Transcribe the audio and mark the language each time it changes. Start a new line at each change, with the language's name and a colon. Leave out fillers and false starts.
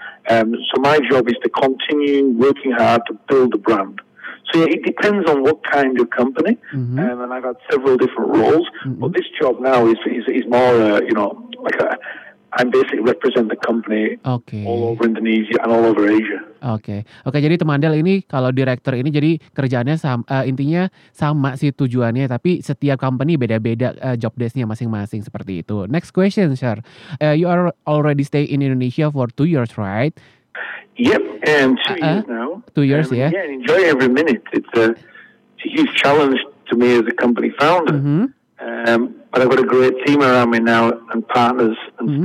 English: So my job is to continue working hard to build the brand. So yeah, it depends on what kind of company, mm-hmm. And I've had several different roles, mm-hmm. but this job now is more, you know, like I basically represent the company all over Indonesia and all over Asia.
Indonesian: Okay, jadi teman Del ini kalau director ini jadi kerjaannya sama, intinya sama sih tujuannya, tapi setiap company beda-beda job desk-nya masing-masing seperti itu.
English: Next question, sir. You are already stay in Indonesia for 2 years, right? Yep, 2 years now. 2 years, yeah. Yeah, enjoy every minute. It's a huge challenge to me as a company founder, mm-hmm. But I've got a great team around me now and partners and mm-hmm.